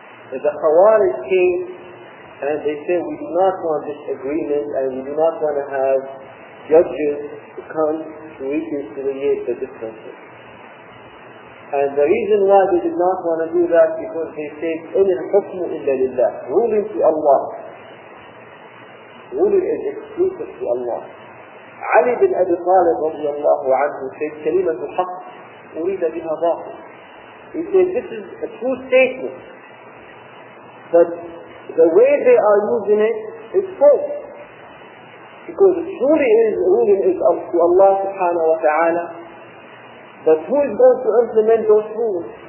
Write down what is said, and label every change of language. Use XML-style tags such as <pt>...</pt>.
<en>The Khawarij came and they said, we do not want this agreement and we do not want to have judges to come to reconcile the differences. And the reason why they did not want to do that because they said,</en> <ar>إِنْ الْحُكْمُ إِلَّا لِلَّهِ</ar> <en>Ruling to Allah. Ruling is exclusive to Allah.</en> <ar>Ali bin Abi Talib رضي الله عنه said, كلمة الحق أريد بها باطل.</ar> <en>He said, this is a true statement. But the way they are using it is false. Because it truly is ruling is up to Allah subhanahu wa ta'ala. But who is going to implement those rules?</en>